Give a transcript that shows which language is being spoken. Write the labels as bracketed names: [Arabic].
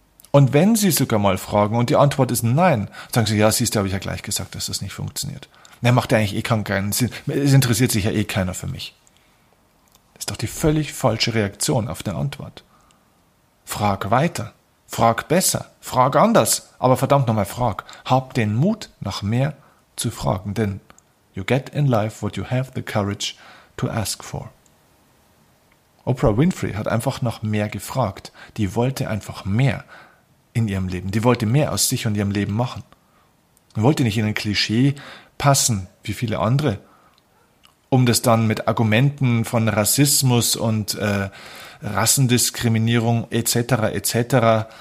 [German] Und wenn sie sogar mal fragen und die Antwort ist nein, sagen sie, ja, siehst du, habe ich ja gleich gesagt, dass das nicht funktioniert. Na, macht ja eigentlich eh keinen Sinn. Es interessiert sich ja eh keiner für mich. Das ist doch die völlig falsche Reaktion auf eine Antwort. Frag weiter. Frag besser. Frag anders. Aber verdammt nochmal, frag. Hab den Mut, nach mehr zu fragen. [English] Denn you get in life what you have the courage to ask for. [German] Oprah Winfrey hat einfach nach mehr gefragt. Die wollte einfach mehr in ihrem Leben. Die wollte mehr aus sich und ihrem Leben machen. Die wollte nicht in ein Klischee passen, wie viele andere, um das dann mit Argumenten von Rassismus und Rassendiskriminierung etc.